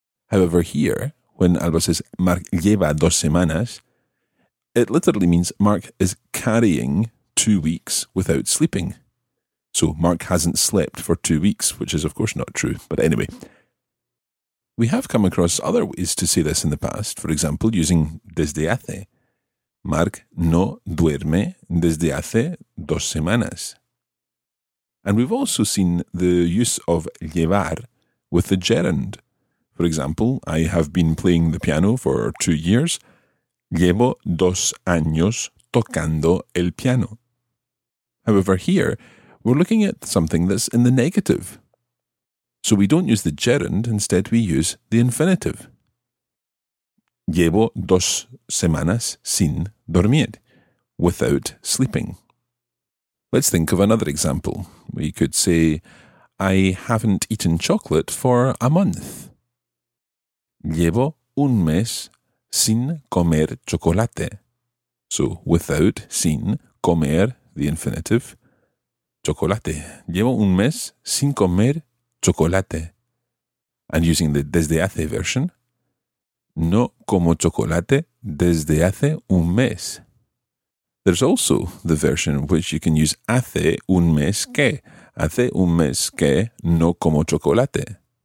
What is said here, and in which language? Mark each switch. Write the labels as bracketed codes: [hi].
[en] However, here, when Alba says Marc [es] lleva dos semanas, [en] It literally means Mark is carrying 2 weeks without sleeping. So Mark hasn't slept for 2 weeks, which is of course not true. But anyway, we have come across other ways to say this in the past. For example, using desde hace. [es] Mark no duerme desde hace dos semanas. [en] And we've also seen the use of llevar with the gerund. For example, I have been playing the piano for 2 years. [es] Llevo dos años tocando el piano. [en] However, here, we're looking at something that's in the negative. So we don't use the gerund, instead we use the infinitive. [es] Llevo dos semanas sin dormir, [en] without sleeping. Let's think of another example. We could say, I haven't eaten chocolate for a month. [es] Llevo un mes sin comer chocolate. [en] So, without, sin, comer, the infinitive, chocolate. [es] Llevo un mes sin comer chocolate. [en] And using the [es] desde hace version, no como chocolate desde hace un mes. [en] There's also the version which you can use hace un mes que. [es] Hace un mes que no como chocolate.